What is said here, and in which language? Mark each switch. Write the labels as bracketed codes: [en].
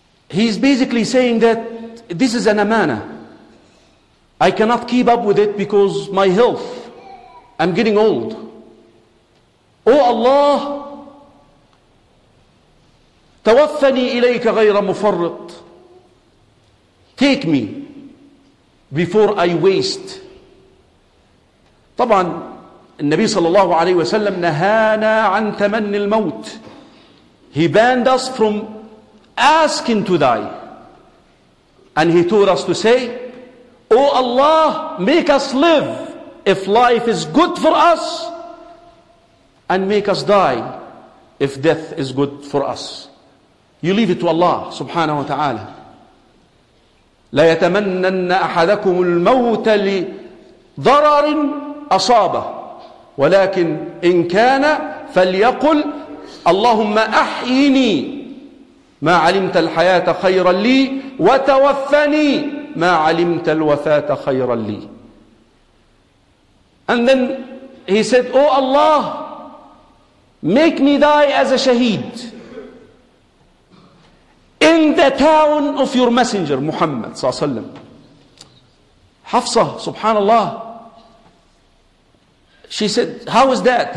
[en] He's basically saying that this is an amana. I cannot keep up with it because my health, I'm getting old. Oh Allah, [ar] توفني إليك غير مفرط. [en] Take me before I waste. [ar] طبعا النبي صلى الله عليه وسلم نهانا عن تمني الموت. [en] He banned us from asking to die. And he told us to say, Oh Allah, make us live if life is good for us, and make us die if death is good for us. You leave it to Allah subhanahu wa ta'ala. [ar] لا يتمنن أحدكم الموت لضرر أصابه ولكن إن كان فليقل اللهم أحيني ما علمت الحياة خيرا لي وتوفني ما علمت الوفاة خيرا لي. [en] And then he said, Oh Allah, make me die as a shaheed in the town of your messenger, Muhammad صلى الله عليه وسلم. Hafsa, subhanallah, she said, How is that?